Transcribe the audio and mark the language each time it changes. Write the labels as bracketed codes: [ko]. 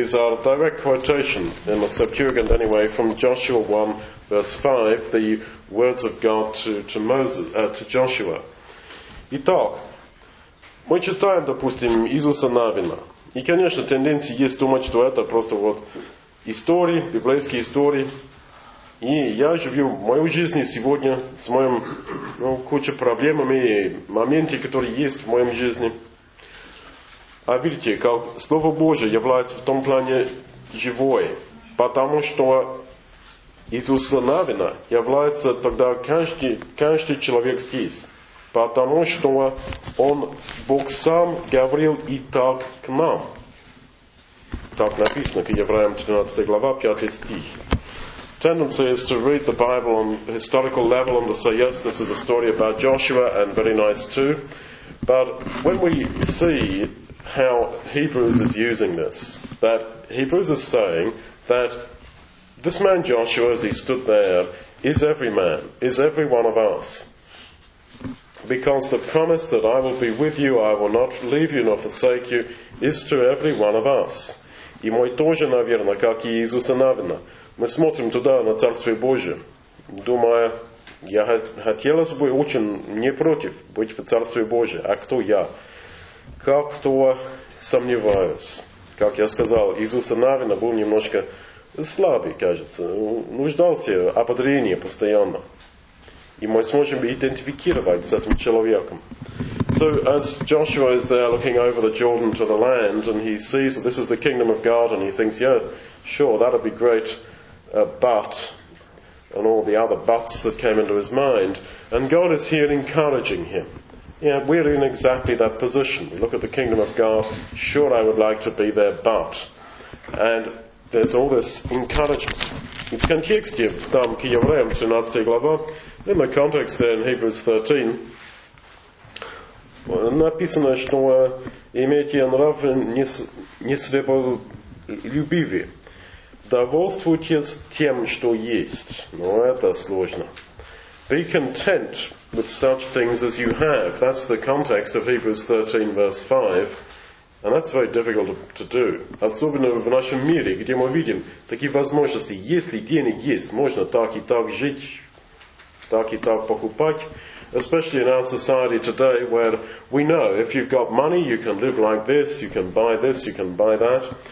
[en] These are a direct quotation in the Septuagint anyway from Joshua 1, verse 5, the words of God to Joshua. [ru] Итак, мы читаем, допустим, Иисуса Навина. И, конечно, тенденция есть думать, что это просто вот истории, библейские истории. И я живу в мою жизнь сегодня с моим, ну, куча проблемами и моментами, которые есть в моем жизни. А видите, как Слово Божие является в том плане живое. Потому что Иисуса Навина является тогда каждый человек здесь. Потому что он, Бог сам говорил и так к нам. Так написано к Евреям 13 глава, 5 стих. [en] Tendency is to read the Bible on a historical level and to say, yes, this is a story about Joshua and very nice too. But when we see how Hebrews is using this, that Hebrews is saying that this man Joshua, as he stood there, is every man, is every one of us. Because the promise that I will be with you, I will not leave you nor forsake you, is to every one of us. [ru] И мы тоже, наверное, как и Иисуса Навина, мы смотрим туда, на Царствие Божие, думая, я хотелось бы, очень не против быть в Царстве Божьем, а кто я? Как-то сомневаюсь. Как я сказал, Иисуса Навина был немножко слабый, кажется, нуждался в ободрении постоянно. И мы сможем идентифицировать с этим человеком. [en] So as Joshua is there looking over the Jordan to the land, and he sees that this is the kingdom of God, and he thinks, yeah, sure, that'd be great, but, and all the other buts that came into his mind, and God is here encouraging him. Yeah, we're in exactly that position. We look at the kingdom of God, sure, I would like to be there, but. And there's all this encouragement. [ru] В контексте, там, к Евреям, 13 глава, [en] in the context there in Hebrews 13, [ru] Написано, что имейте нрав несребролюбивый. Довольствуйтесь тем, что есть. Но это сложно. [en] Be content with such things as you have. That's the context of Hebrews 13, verse 5. And that's very difficult to do. [ru] Особенно в нашем мире, где мы видим такие возможности. Если денег есть, можно так и так жить, так и так покупать. [en] Especially in our society today, where we know if you've got money, you can live like this, you can buy this, you can buy that.